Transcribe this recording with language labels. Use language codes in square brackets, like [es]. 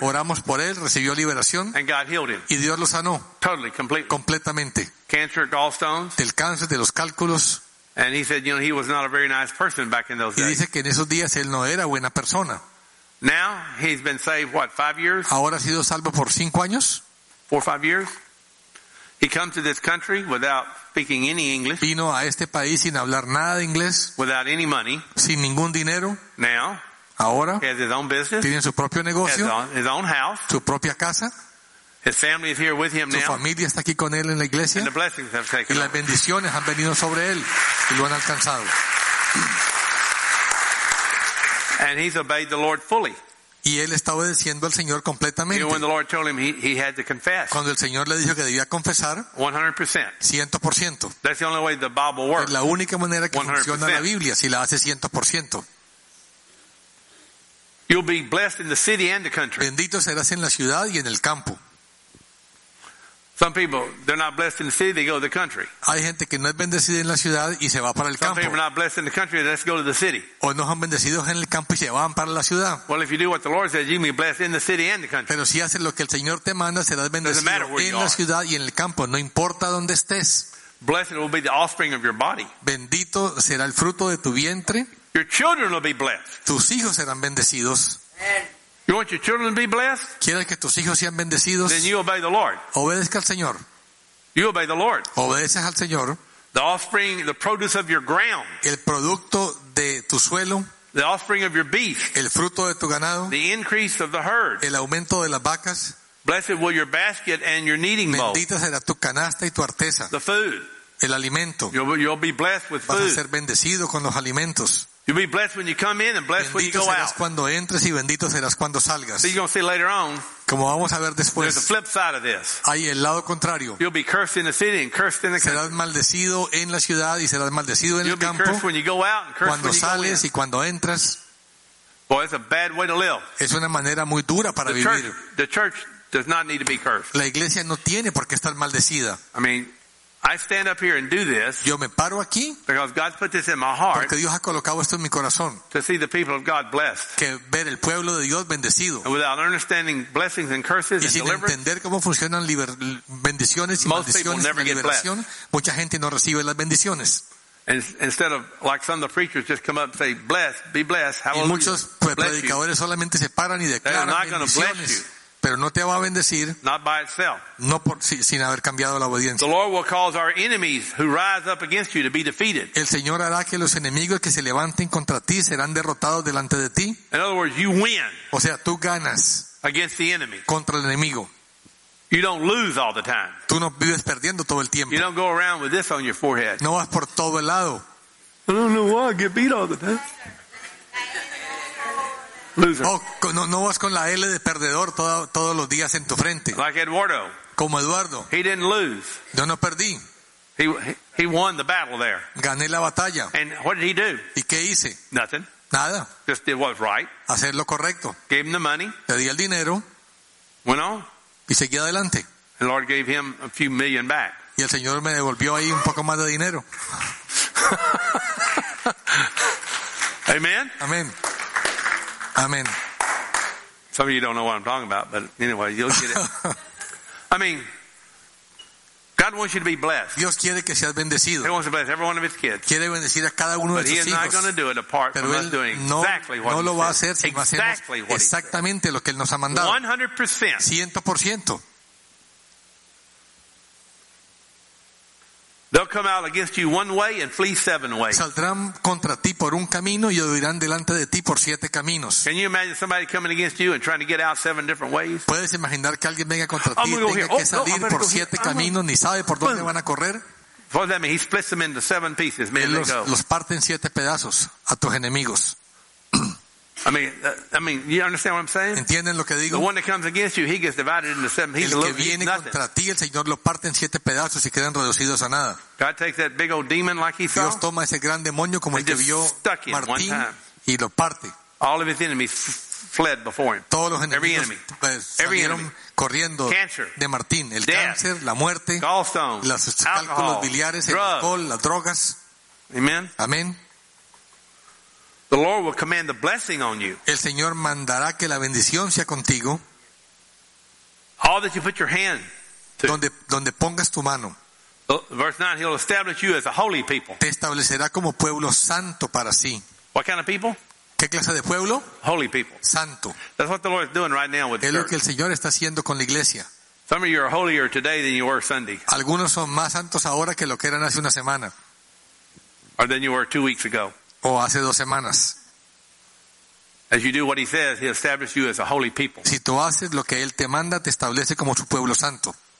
[es] oramos por él, recibió liberación, [en] and God healed him. [es] Y Dios lo sanó [en] totally, completely. [es] Completamente. [en] Cancer, gallstones, [es] del cáncer, de los cálculos. [en] And he said, you know, he was not a very nice person back in those days. [es] Y dice que en esos días él no era buena persona. [en] Now he's been saved what, 5 years? [es] Ahora ha sido salvo por 5 años. [en] 4 or 5 years. He comes to this country without speaking any English. [es] Vino a este país sin hablar nada de inglés. [en] Without any money. [es] Sin ningún dinero. [en] Now. [es] Ahora. [en] He has his own business. [es] Tiene su propio negocio. [en] His own house. [es] Su propia casa. [en] His family is here with him now. [es] Su familia está aquí con él en la iglesia. [en] And the blessings have taken. [es] Y las bendiciones han venido sobre él y lo han alcanzado. [en] And he's obeyed the Lord fully. [es] Y él está obedeciendo al Señor completamente. [en] Even when the Lord told him he had to confess. [es] Cuando el Señor le dijo que debía confesar. [en] 100%. [es] 100%. [en] That's the only way the Bible works. [es] Es la única manera que 100%. Funciona la Biblia si la hace 100%. [en] You'll be blessed in the city and the country. [es] Bendito serás en la ciudad y en el campo. [en] Some people, they're not blessed in the city, they go to the country. [es] Hay gente que no es bendecida en la ciudad y se va para el campo. [en] Some people are not blessed in the country, they just go to the city. [es] O no son bendecidos en el campo y se van para la ciudad. [en] Well, if you do what the Lord says, you'll be blessed in the city and the country. [es] Pero si haces lo que el Señor te manda, serás bendecido en la ciudad y en el campo, no importa dónde estés. [en] Blessed will be the offspring of your body. [es] Bendito será el fruto de tu vientre. [en] Your children will be blessed. [es] Tus hijos serán bendecidos. [en] You want your children to be blessed? [es] ¿Quieres que tus hijos sean bendecidos? [en] Then you obey the Lord. [es] Obedezca al Señor. [en] You obey the Lord. [es] Obedeces al Señor. [en] The offspring, the produce of your ground. [es] El producto de tu suelo. [en] The offspring of your beef. [es] El fruto de tu ganado. [en] The increase of the herd. [es] El aumento de las vacas. [en] Blessed will your basket and your kneading bowl. [es] Bendita será tu canasta y tu artesa. [en] The food. [es] El alimento. [en] You'll be blessed with food. [es] Vas a ser bendecido con los alimentos. [en] You'll be blessed when you come in and blessed [es] bendito [en] when you go out. [es] Serás cuando entres y bendito serás cuando salgas. [en] So you're going to see later on. [es] Como vamos a ver después. [en] There's a flip side of this. [es] Hay el lado contrario. [en] You'll be cursed in the city and cursed in the country. [es] Serás maldecido en la ciudad y serás maldecido en [en] you'll [es] el campo. [en] You'll be cursed when you go out and cursed when you go in. [es] Cuando sales y cuando entras. [en] Boy, it's a bad way to live. [es] Es una manera muy dura para [en] the [es] vivir. [en] The church does not need to be cursed. [es] La iglesia no tiene por qué estar maldecida. [en] I mean, I stand up here and do this. [es] Yo me paro aquí. [en] Because God's put this in my heart. [es] Porque Dios ha colocado esto en mi corazón. [en] To see the people of God blessed. [es] Que ver el pueblo de Dios bendecido. [en] And without understanding blessings and curses [es] y sin [en] and [es] entender cómo funcionan bendiciones y maldiciones y liberación, mucha gente no recibe las bendiciones. [en] Instead of like some of the preachers just come up and say blessed, be blessed. [es] Y muchos predicadores solamente se paran y declaran bendiciones. Pero no te va a bendecir. [en] Not by itself. [es] No por, sin haber cambiado la obediencia. [en] The Lord will cause our enemies who rise up against you to be defeated. [es] El Señor hará que los enemigos que se levanten contra ti serán derrotados delante de ti. [en] In other words, you win. [es] O sea, tú ganas. [en] Against the enemy. [es] Contra el enemigo. [en] You don't lose all the time. [es] Tú no vives perdiendo todo el tiempo. [en] You don't go around with this on your forehead. [es] No vas por todo el lado. [en] I don't know why I get beat all the time. [es] Oh, no vas con la L de perdedor todos los días en tu frente. [en] Like Eduardo. [es] Como Eduardo. [en] He didn't lose. [es] Yo no perdí. [en] He won the battle there. [es] Gané la batalla. [en] And what did he do? [es] ¿Y qué hice? [en] Nothing. [es] Nada. [en] Just did what was right. [es] Hacer lo correcto. [en] Gave him the money. [es] Le di el dinero. [en] Went on. [es] Y seguí adelante. [en] The Lord gave him a few million back. [es] Y el Señor me devolvió ahí un poco más de dinero. [en] Amen. [es] Amén. Amen. [en] Some of you don't know what I'm talking about, but anyway, you'll get it. I mean, God wants you to be blessed. [es] Dios quiere que seas bendecido. [en] He wants to bless every one of his kids. [es] Quiere bendecir a cada uno [en] but [es] de sus hijos. [en] But he is not going to do it apart [es] pero [en] from us doing [es] no, [en] exactly what [es] no [en] he [es] lo va a hacer si [en] exactly [es] hacemos [en] what [es] exactamente lo que él nos ha mandado. [en] 100%. [es] 100%. [en] They'll come out against you one way and flee 7 ways. [es] Saldrán contra ti por un camino y huirán delante de ti por 7 caminos. [en] Can you imagine somebody coming against you and trying to get out 7 different ways? [es] Puedes imaginar que alguien venga contra ti y tenga que salir por 7 caminos ni sabe por dónde van a correr. [en] What does that mean? He splits them into 7 pieces. [es] Los parte en 7 pedazos a tus enemigos. [en] I mean, you understand what I'm saying? [es] ¿Entienden lo que digo? [en] The one that comes against you, he gets divided into seven. He's [es] el que viene contra ti, el Señor lo parte en siete pedazos y quedan reducidos a nada. [en] God takes that big old demon like he [es] Dios [en] saw. [es] Dios toma ese gran demonio como el que vio Martín y lo parte. [en] All of his enemies fled before him. [es] Todos los enemigos salieron corriendo de Martín. El cáncer, la muerte, los cálculos biliares, el alcohol, las drogas. [en] Amen. [es] Amén. [en] The Lord will command the blessing on you. [es] El Señor mandará que la bendición sea contigo. [en] All that you put your hand to. [es] Donde pongas tu mano. [en] Verse 9, he'll establish you as a holy people. [es] Te establecerá como pueblo santo para sí. [en] What kind of people? [es] ¿Qué clase de pueblo? [en] Holy people. [es] Santo. [en] That's what the Lord is doing right now with the church. [es] Es lo que el Señor está haciendo con la iglesia. [en] Some of you are holier today than you were Sunday. [es] Algunos son más santos ahora que lo que eran hace una semana. [en] Or than you were 2 weeks ago. [es] O hace dos semanas. [en] As you do what he says, he establishes you as a holy people. [es] Si tú haces lo que él te manda, te establece como su pueblo santo.